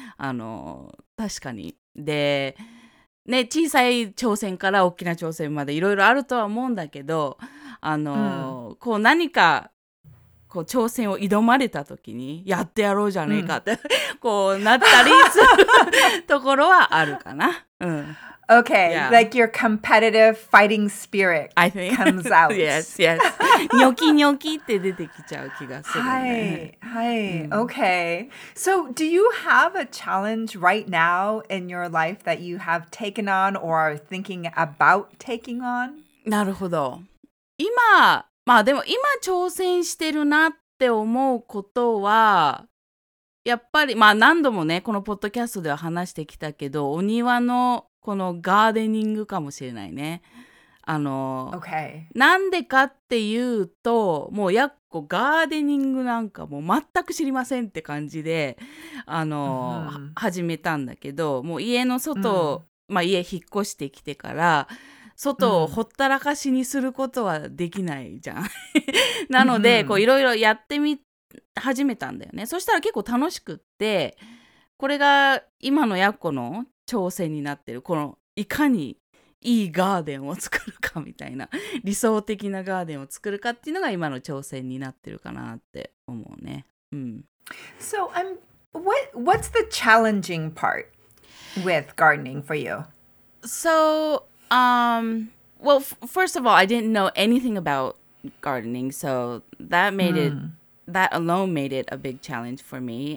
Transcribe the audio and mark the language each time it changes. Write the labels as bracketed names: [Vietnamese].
[Japanese] あの確かに。でね、小さい挑戦から大きな挑戦までいろいろあるとは思うんだけど、あの、うん、こう何かこう挑戦を挑まれた時にやってやろうじゃねえかって、うん、こうなったりするところはあるかな。うん、 [English] okay,、yeah. like your competitive fighting spirit I think. comes out. Yes, yes. [Japanese] ニョキニョキって出てきちゃう気がするね。はい、はい、うん、okay. [English] So do you have a challenge right now in your life that you have taken on or are thinking about taking on? [Japanese] なるほど。今まあでも今挑戦してるなって思うことはやっぱりまあ何度もねこのポッドキャストでは話してきたけど、お庭のこのガーデニングかもしれないね。あの、 [English] okay. [Japanese] なんでかっていうと、もうやっこガーデニングなんかもう全く知りませんって感じで、あの、mm-hmm. 始めたんだけど、もう家の外、mm-hmm. まあ家引っ越してきてから外をほったらかしにすることはできないじゃん。なので、こういろいろやってみ、始めたんだよね。そしたら結構楽しくって、これが今のやっこの挑戦になってる、このいかにいいガーデンを作るかみたいな、理想的なガーデンを作るかっていうのが今の挑戦になってるかなって思うね。うん。 [English] So, what's the challenging part with gardening for you? So,well, first of all, I didn't know anything about gardening, so that made it, that alone made it a big challenge for me.